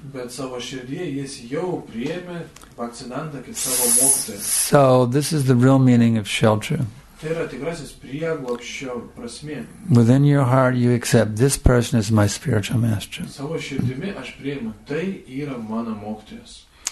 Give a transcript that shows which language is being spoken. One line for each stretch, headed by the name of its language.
English: So, this is the real meaning of shelter.
Lithuanian: Tai yra tikrasis prieglobščio prasmė.
English: Within your heart you accept this person is my spiritual master.
Lithuanian: Savo širdimi aš priimu, tai yra mano mokytojas.